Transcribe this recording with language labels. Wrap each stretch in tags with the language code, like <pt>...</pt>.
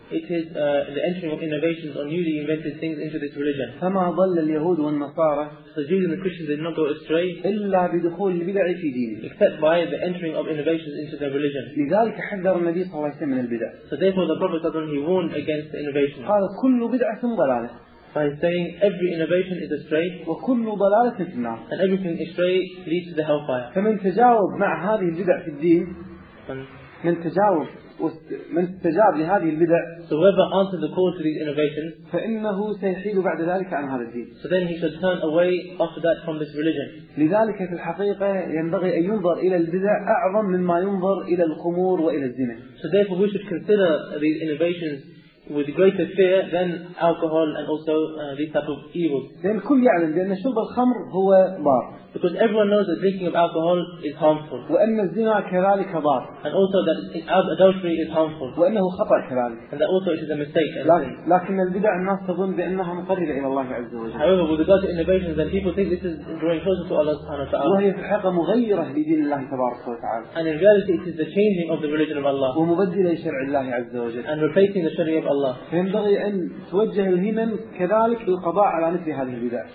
<en>It is the entering of innovations or newly invented things into this religion.</en> <ar>فما ضل اليهود والنصارى.</ar> <en>So the Jews and the Christians did not go astray.</en> <ar>إلا بدخول البدع في دينه.</ar> <en>Except by the entering of innovations into their religion.</en> <ar>لذلك حذر النبي صلى الله عليه وسلم من البدع.</ar> <en>So therefore the Prophet ﷺ, he warned against the innovation.</en> <ar>قال كل بدعة ضلالة.</ar> <en>By saying every innovation is astray,</en> <ar>وكل ضلالة في النار.</ar> <en>And everything astray leads to the hellfire.</en> <ar>فمن تجاوب مع هذه البدع في الدين. من استجاب لهذه البدع.</ar> <en>So whoever answered the call to these innovations,</en> <ar>فإنه سيحيد بعد ذلك عن هذا الدين.</ar> <en>So then he should turn away after that from this religion.</en> <ar>لذلك في الحقيقة ينبغي أن ينظر إلى البدع أعظم مما ينظر إلى الخمور وإلى الزنا.</ar> <en>So therefore we should consider these innovations with greater fear than alcohol and also these type of evils.</en> <ar>لأن الكل يعلم بأن شرب الخمر هو ضار.</ar> <en>Because everyone knows that drinking of alcohol is harmful.</en> <ar>وأن الزنا كذلك ضار.</ar> <en>And also that adultery is harmful.</en> <ar>وأنه خطأ كذلك.</ar> <en>And that also it is a mistake.</en> <ar>لكن البدع الناس تظن بأنها مقربة إلى الله عز وجل.</ar> <en>However, with regard to innovations, then people think this is drawing closer to Allah سبحانه وتعالى.</en> <ar>وهي في الحقيقة مغيرة لدين الله تبارك وتعالى.</ar> <en>And in reality, it is the changing of the religion of Allah.</en> <ar>ومبدلة لشرع الله عز وجل.</ar> <en>And replacing the Sharia of Allah.</en> <ar>فينبغي أن توجه الهمم كذلك للقضاء على مثل هذه البدع.</ar>